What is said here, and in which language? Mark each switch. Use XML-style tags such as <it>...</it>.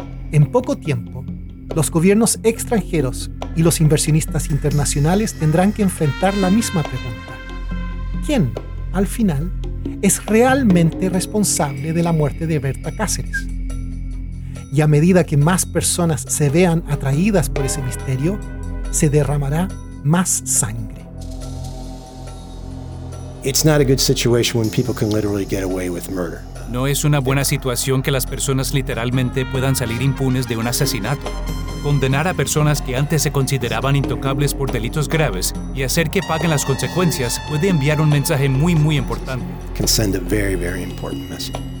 <es>En poco tiempo, los gobiernos extranjeros y los inversionistas internacionales tendrán que enfrentar la misma pregunta. ¿Quién, al final, es realmente responsable de la muerte de Berta Cáceres? Y a medida que más personas se vean atraídas por ese misterio, se derramará más sangre.</es> <en>It's not a good situation when people can literally get away with murder.</en> <es>No es una buena situación que las personas literalmente puedan salir impunes de un asesinato. Condenar a personas que antes se consideraban intocables por delitos graves y hacer que paguen las consecuencias puede enviar un mensaje muy, muy importante.</es> <en>Can send a very, very important message.</en>